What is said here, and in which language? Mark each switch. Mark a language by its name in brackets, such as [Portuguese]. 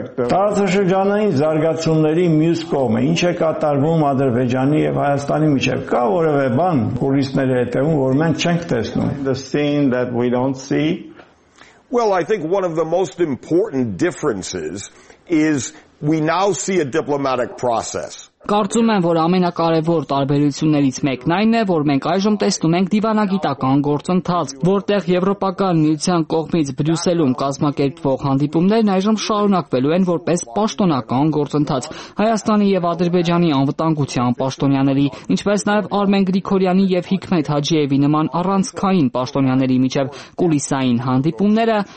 [Armenian] Տարածաշրջանային զարգացումների մյուս կողմը, ինչ է կատարվում Ադրբեջանի եւ Հայաստանի միջեւ, կա որևէ բան կուլիսները հետեւում, որ մենք չենք տեսնում? [English] The scene that we don't see. Well, I think one of the most important differences is we now see a diplomatic process. [Armenian] Կարծում եմ, որ ամենակարևոր տարբերություններից մեկն այն է, որ մենք այժմ տեսնում ենք դիվանագիտական գործընթաց, որտեղ Եվրոպական Միության կողմից Բրյուսելում կազմակերպվող հանդիպումներն այժմ շարունակվելու են որպես պաշտոնական գործընթաց։ Հայաստանի եւ Ադրբեջանի անվտանգության պաշտոնյաների, ինչպես նաեւ Արմեն Գրիգորյանի եւ Հիքմետ Հաջիևի նման առանցքային պաշտոնյաների միջեւ կուլիսային հանդիպումները